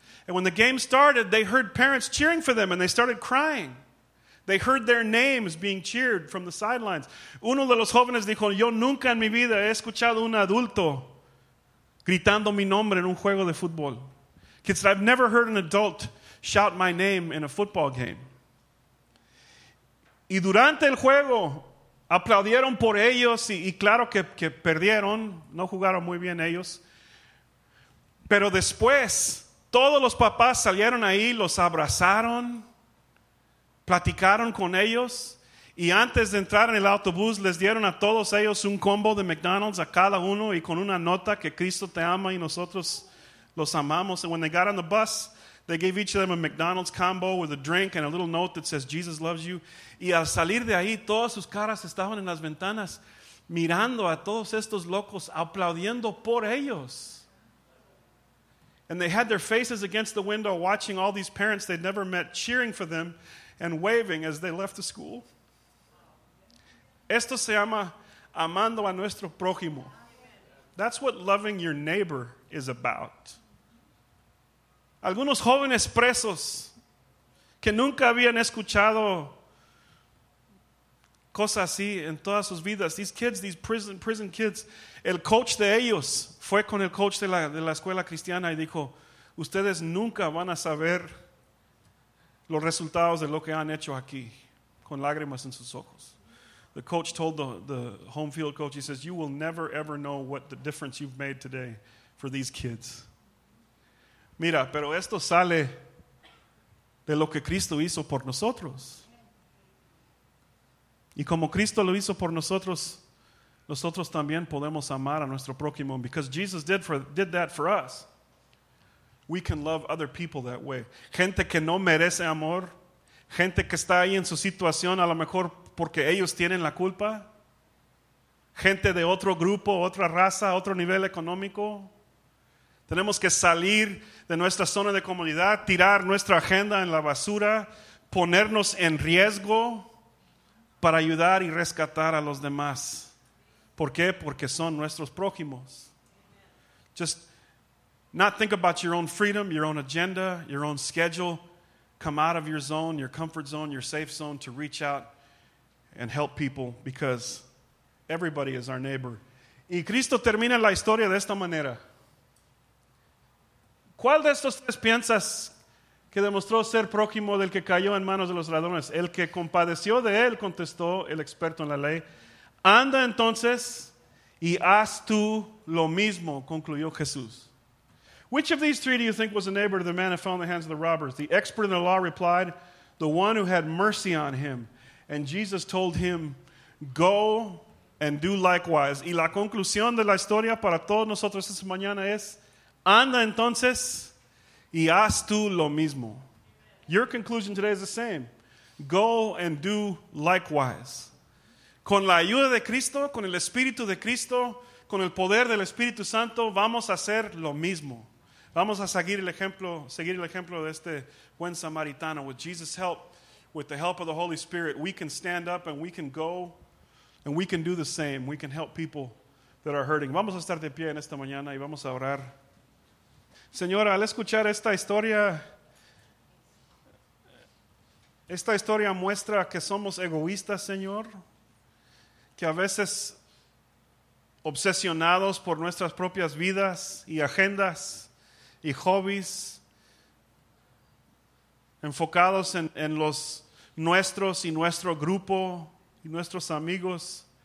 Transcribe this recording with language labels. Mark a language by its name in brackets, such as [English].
[English] And when the game started, they heard parents cheering for them and they started crying. They heard their names being cheered from the sidelines. [Spanish] Uno de los jóvenes dijo, yo nunca en mi vida he escuchado un adulto gritando mi nombre en un juego de fútbol. [English] Kids said, I've never heard an adult shout my name in a football game. [Spanish] Y durante el juego, aplaudieron por ellos y claro que perdieron. No jugaron muy bien ellos. Pero después, todos los papás salieron ahí, los abrazaron, platicaron con ellos y antes de entrar en el autobús les dieron a todos ellos un combo de McDonald's a cada uno y con una nota que Cristo te ama y nosotros los amamos. [English] And when they got on the bus, they gave each of them a McDonald's combo with a drink and a little note that says Jesus loves you. [Spanish] Y al salir de ahí, todas sus caras estaban en las ventanas mirando a todos estos locos aplaudiendo por ellos. [English] And they had their faces against the window watching all these parents they'd never met cheering for them and waving as they left the school. [Spanish] Esto se llama amando a nuestro prójimo. [English] That's what loving your neighbor is about. [Spanish] Algunos jóvenes presos que nunca habían escuchado cosas así en todas sus vidas. [English] These kids, these prison kids, [Spanish] el coach de ellos fue con el coach de la escuela cristiana y dijo, ustedes nunca van a saber los resultados de lo que han hecho aquí, con lágrimas en sus ojos. [English] The coach told the home field coach, he says, you will never ever know what the difference you've made today for these kids. [Spanish] Mira, pero esto sale de lo que Cristo hizo por nosotros. Y como Cristo lo hizo por nosotros, nosotros también podemos amar a nuestro prójimo. [English] Because Jesus did that for us. We can love other people that way. [Spanish] Gente que no merece amor. Gente que está ahí en su situación, a lo mejor porque ellos tienen la culpa. Gente de otro grupo, otra raza, otro nivel económico. Tenemos que salir de nuestra zona de comodidad, tirar nuestra agenda en la basura, ponernos en riesgo para ayudar y rescatar a los demás. ¿Por qué? Porque son nuestros prójimos. [English] Just not think about your own freedom, your own agenda, your own schedule. Come out of your zone, your comfort zone, your safe zone to reach out and help people because everybody is our neighbor. [Spanish] Y Cristo termina la historia de esta manera. ¿Cuál de estos tres piensas que demostró ser prójimo del que cayó en manos de los ladrones? El que compadeció de él, contestó el experto en la ley. Anda entonces y haz tú lo mismo, concluyó Jesús. [English] Which of these three do you think was a neighbor to the man who fell in the hands of the robbers? The expert in the law replied, the one who had mercy on him. And Jesus told him, go and do likewise. [Spanish] Y la conclusión de la historia para todos nosotros esta mañana es, anda entonces y haz tú lo mismo. [English] Your conclusion today is the same. Go and do likewise. [Spanish] Con la ayuda de Cristo, con el Espíritu de Cristo, con el poder del Espíritu Santo, vamos a hacer lo mismo. Vamos a seguir el ejemplo de este buen samaritano. [English] With Jesus' help, with the help of the Holy Spirit, we can stand up and we can go and we can do the same. We can help people that are hurting. [Spanish] Vamos a estar de pie en esta mañana y vamos a orar. Señora, al escuchar esta historia muestra que somos egoístas, Señor, que a veces obsesionados por nuestras propias vidas y agendas y hobbies, enfocados en los nuestros y nuestro grupo y nuestros amigos.